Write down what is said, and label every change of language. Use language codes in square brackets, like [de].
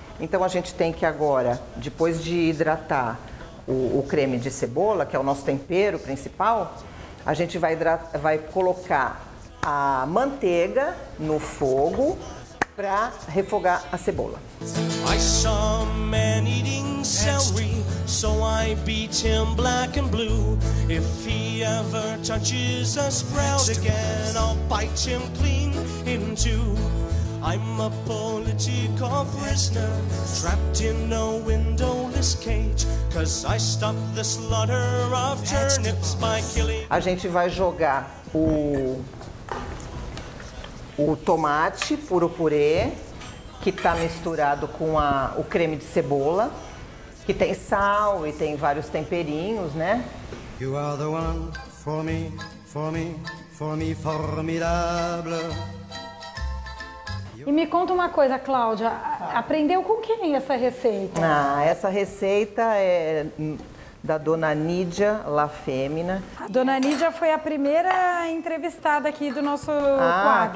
[pt] Então a gente tem que agora, depois de hidratar o creme de cebola, que é o nosso tempero principal, a gente vai colocar a manteiga no fogo para refogar a cebola. [en] I saw a man eating celery, so I beat him black and blue. If he ever touches a sprout again, I'll bite him clean in two. I'm a political prisoner, trapped in a windowless cage, 'cause I stopped the slaughter of turnips by killing... [pt] A gente vai jogar o tomate puro purê, que tá misturado com o creme de cebola, que tem sal e tem vários temperinhos, né? [en] You are the one for me, for me, for me [fr] formidable. [pt] E me conta uma coisa, Cláudia, aprendeu com quem essa receita? Ah, essa receita é da dona Nídia La Femina. A dona Nídia foi a primeira entrevistada aqui do nosso quadro. Ah,